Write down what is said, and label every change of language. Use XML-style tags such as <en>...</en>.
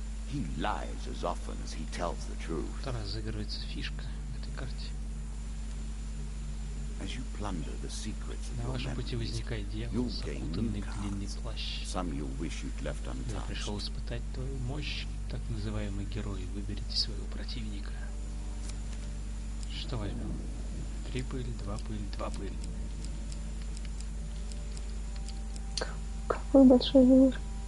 <en>He lies as often as he tells the truth.</en> <ru>Тут разыгрывается фишка в этой карте.</ru> <en>As you plunder the secrets of your memories, you'll gain new cards. Some you wish you'd left untouched.</en> <ru>Я пришел испытать твою мощь, так называемый герой. Выберите своего противника. Что возьмем? Три пыль, два пыль, два пыль. Какой большой выбор.</ru>